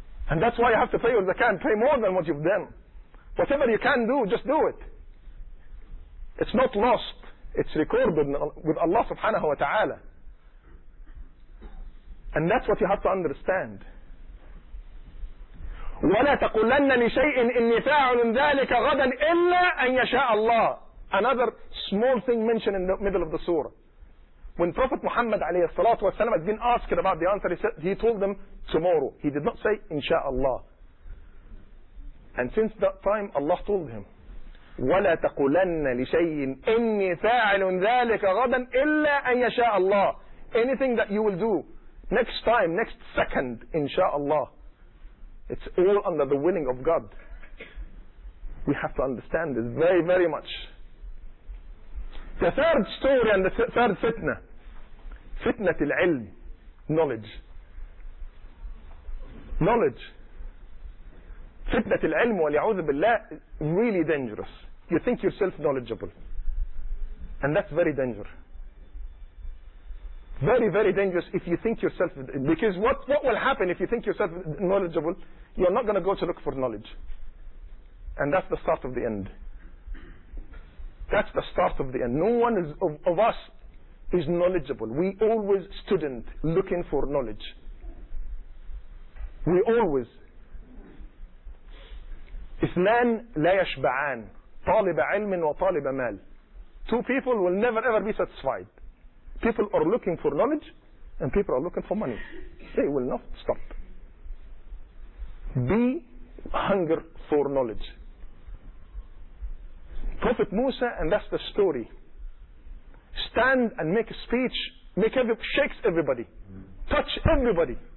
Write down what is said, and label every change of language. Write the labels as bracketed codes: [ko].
[en] And that's why you have to pay your zakah and pay more than what you've done. Whatever you can do, just do it. It's not lost. It's recorded with Allah subhanahu wa ta'ala. And that's what you have to understand. [ar] وَلَا تَقُلَّنَّ لِشَيْءٍ إِنِّي فَاعُلٌ ذَلِكَ غَدًا إِلَّا أَنْ يَشَاءَ اللَّهِ. [en] Another small thing mentioned in the middle of the surah. When Prophet Muhammad alayhi salatu wasalam had been asked about the answer, he told them tomorrow. He did not say insha'Allah. And since that time, Allah told him, [ar] وَلَا تَقُلَنَّ لِشَيْءٍ إِنِّي فَاعِلٌ ذَلِكَ غَدًا إِلَّا أَن يَشَاءَ اللَّهِ. [en] Anything that you will do next time, next second, insha'Allah, it's all under the willing of God. We have to understand this very, very much. The third story and the third fitna, fitna til ilm, knowledge. Knowledge. [ar] Fitna til ilm wa li'udhu billah, [en] really dangerous. You think yourself knowledgeable. And that's very dangerous. Very, very dangerous if you think yourself, because what will happen if you think yourself knowledgeable? You're not going to go to look for knowledge. And that's the start of the end. That's the start of the end. No one is, of us is knowledgeable. We always student looking for knowledge. We always. [ar] إثنان لا يشبعان طالب علم وطالب مال. [en] Two people will never ever be satisfied. People are looking for knowledge and people are looking for money. They will not stop. Be hunger for knowledge. Prophet Musa, and that's the story, stand and make a speech, make shakes everybody, touch everybody.